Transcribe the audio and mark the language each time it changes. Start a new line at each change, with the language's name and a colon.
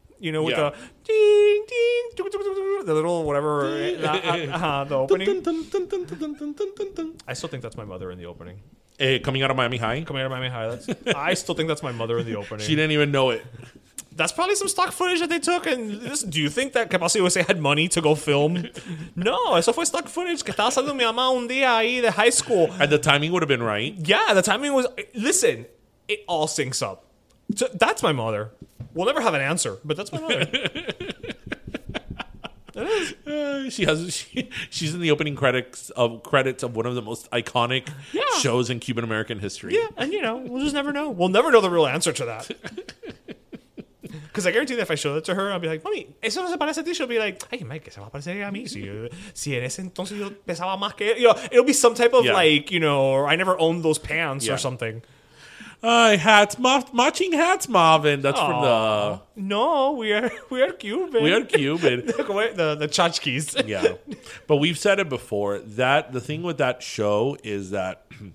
English: The little whatever, the opening. I still think that's my mother in the opening. Hey, coming out of Miami High? Coming out of Miami High. I still think that's my mother in the opening. She didn't even know it. That's probably some stock footage that they took. And do you think that Capasi USA had money to go film?
Spanish: No, eso fue
English: stock footage.
Spanish: Que estaba saliendo mi mamá un día ahí de high school.
English: And the timing would have been right. Yeah, the timing was. Listen, it all syncs up. So that's my mother. We'll never have an answer, but that's my mother. She's in the opening credits of one of the most iconic shows in Cuban American history. Yeah, and we'll just never know. We'll never know the real answer to that. Because I guarantee that if I show that to her, I'll be like, "Mommy,
Spanish: eso no se parece a ti."
English: She'll be like, "Ay, Mike,
Spanish: se va a parecer a mí. Si en ese entonces yo pesaba más que él."
English: It'll be some type of or I never owned those pants or something. Matching hats, Marvin. That's from the... No, we are Cuban. We are Cuban. the tchotchkes. Yeah. But we've said it before. That the thing with that show is that...